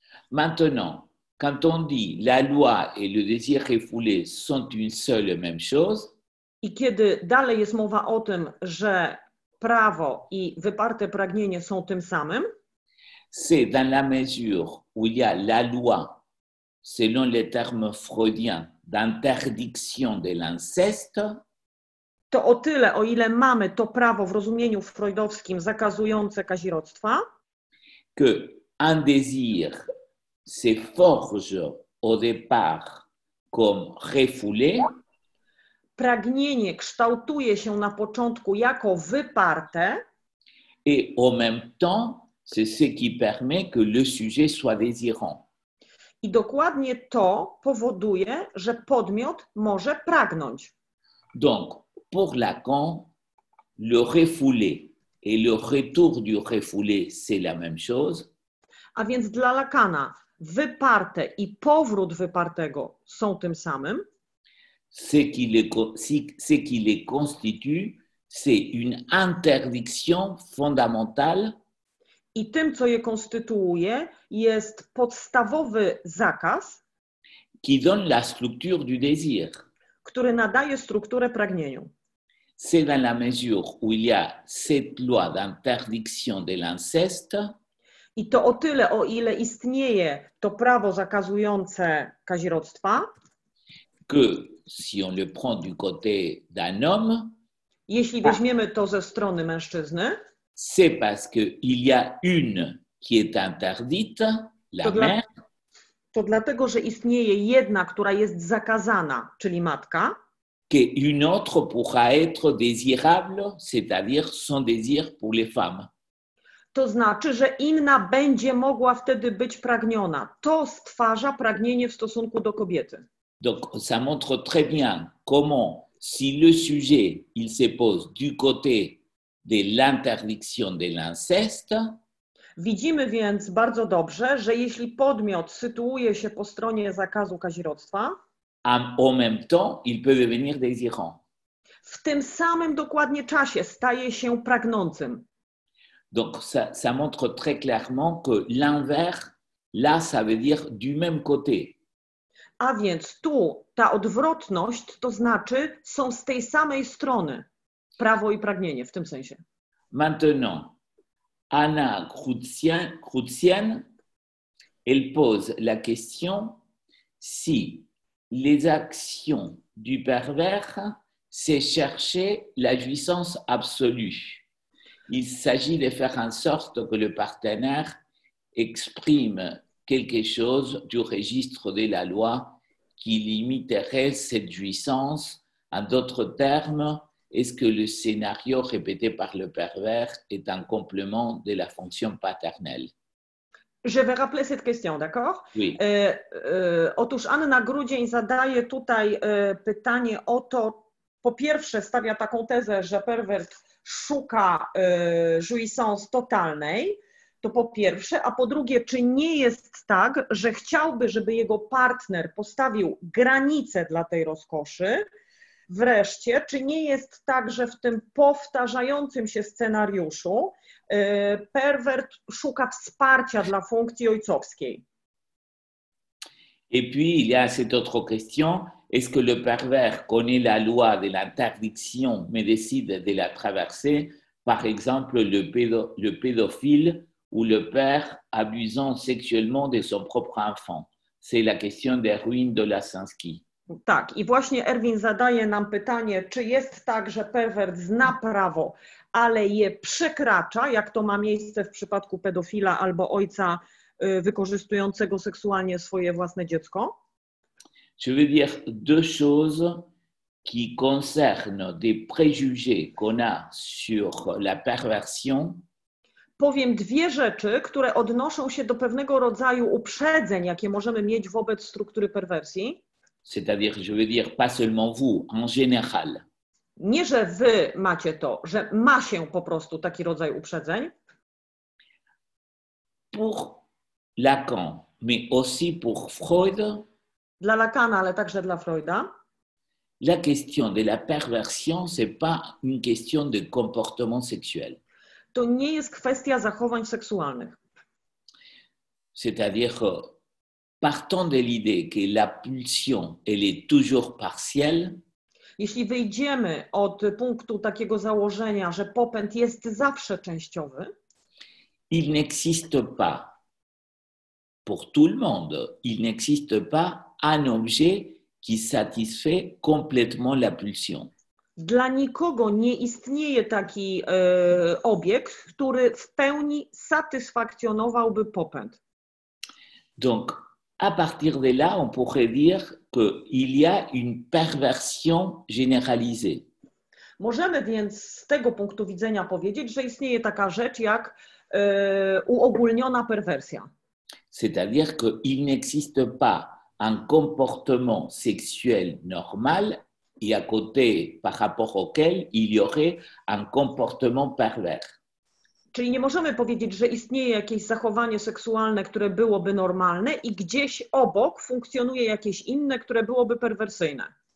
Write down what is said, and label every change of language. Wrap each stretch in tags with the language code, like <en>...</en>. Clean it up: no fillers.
<fr>Maintenant, quand on dit la loi et le désir refoulé sont une seule et même chose,</fr> <pl>i kiedy dalej jest mowa o tym, że prawo i wyparte pragnienie są tym samym,</pl> <fr>c'est dans la mesure où il y a la loi, selon les termes freudiens, d'interdiction de l'inceste,</fr> <pl>to o tyle, o ile mamy to prawo w rozumieniu freudowskim zakazujące kazirodztwa,</pl> <fr>que un désir se forge au départ comme refoulé,</fr> <pl>pragnienie kształtuje się na początku jako wyparte,</pl> <fr>et en même temps, c'est ce qui permet que le sujet soit désirant.</fr> <pl>I dokładnie to powoduje, że podmiot może pragnąć.</pl> <fr>Donc, pour Lacan, le refoulé Et le retour du refoulé, c'est la même chose.</fr> <pl>A więc dla Lacana, wyparte i powrót wypartego są tym samym.</pl> <fr>Ce qui les constitue, c'est une interdiction fondamentale.</fr> <pl>I tym, co je konstytuuje, jest podstawowy zakaz,</pl> <fr>qui donne la structure du désir.</fr> <pl>Który nadaje strukturę pragnieniu.</pl> <fr>C'est dans la mesure où il y a cette loi d'interdiction de l'inceste.</fr> <pl>I to o tyle, o ile istnieje to prawo zakazujące kazirodztwa,</pl> <fr>que si on le prend du côté d'un homme,</fr> <pl>jeśli weźmiemy to ze strony mężczyzny,</pl> <fr>c'est parce que il y a une qui est interdite, la mère.</fr> <pl>To dlatego, że istnieje jedna, która jest zakazana, czyli matka.</pl> <fr>Que une autre pourra être désirable, c'est-à-dire son désir pour les femmes.</fr> <pl>To znaczy, że inna będzie mogła wtedy być pragniona. To stwarza pragnienie w stosunku do kobiety.</pl> <fr>Donc, ça montre très bien comment, si le sujet, il se pose du côté de l'interdiction de l'inceste.</fr> <pl>Widzimy więc bardzo dobrze, że jeśli podmiot sytuuje się po stronie zakazu kazirodztwa,</pl> <fr>en même temps, il peut devenir désirant.</fr> <pl>W tym samym dokładnie czasie staje się pragnącym.</pl> <fr>Donc ça montre très clairement que l'inverse, là, ça veut dire du même côté.</fr> <pl>A więc tu ta odwrotność, to znaczy są z tej samej strony prawo i pragnienie w tym sensie.</pl> <fr>Maintenant, Anna Krutzian, elle pose la question si les actions du pervers, c'est chercher la jouissance absolue. Il s'agit de faire en sorte que le partenaire exprime quelque chose du registre de la loi qui limiterait cette jouissance. En d'autres termes, est-ce que le scénario répété par le pervers est un complément de la fonction paternelle? Je vais rappeler cette question, d'accord? Oui.</fr> <pl>Otóż Anna Grudzień zadaje tutaj pytanie o to, po pierwsze stawia taką tezę, że pervert szuka jouissance totalnej, to po pierwsze, a po drugie, czy nie jest tak, że chciałby, żeby jego partner postawił granice dla tej rozkoszy? Wreszcie, czy nie jest tak, że w tym powtarzającym się scenariuszu pervert szuka wsparcia dla funkcji ojcowskiej?</pl> <fr>Et puis il y a cette autre question, est-ce que le pervers connaît la loi de l'interdiction mais décide de la traverser, par exemple le pédophile ou le père abusant sexuellement de son propre enfant? C'est la question des ruines de Lasinski.</fr> <pl>Tak, i właśnie Erwin zadaje nam pytanie, czy jest tak, że pervert zna prawo, ale je przekracza, jak to ma miejsce w przypadku pedofila albo ojca wykorzystującego seksualnie swoje własne dziecko?</pl> <fr>Je veux dire deux choses qui concernent des préjugés qu'on a sur la perversion.</fr> <pl>Powiem dwie rzeczy, które odnoszą się do pewnego rodzaju uprzedzeń, jakie możemy mieć wobec struktury perwersji.</pl> <fr>C'est-à-dire, je veux dire, pas seulement vous, en général.</fr> <pl>Nie, że wy macie to, że ma się po prostu taki rodzaj uprzedzeń.</pl> <fr>Pour Lacan, mais aussi pour Freud.</fr> <pl>Dla Lacana, ale także dla Freuda.</pl> <fr>La question de la perversion, c'est pas une question de comportement sexuel.</fr> <pl>To nie jest kwestia zachowań seksualnych.</pl> <fr>C'est-à-dire, partant de l'idée que la pulsion elle est toujours partielle.</fr> <pl>Jeśli wyjdziemy od punktu takiego założenia, że popęd jest zawsze częściowy,</pl> <fr>il n'existe pas pour tout le monde, il n'existe pas un objet qui satisfait complètement la pulsion.</fr> <pl>Dla nikogo nie istnieje taki obiekt, który w pełni satysfakcjonowałby popęd.</pl> <fr>Donc à partir de là, on pourrait dire qu'il y a une perversion généralisée.</fr> <pl>Możemy więc z tego punktu widzenia powiedzieć, że istnieje taka rzecz jak uogólniona perwersja.</pl> <fr>C'est-à-dire qu'il n'existe pas un comportement sexuel normal et à côté, par rapport auquel, il y aurait un comportement pervers.</fr> <pl>Czyli nie możemy powiedzieć, że istnieje jakieś zachowanie seksualne, które byłoby normalne i gdzieś obok funkcjonuje jakieś inne, które byłoby perwersyjne.</pl>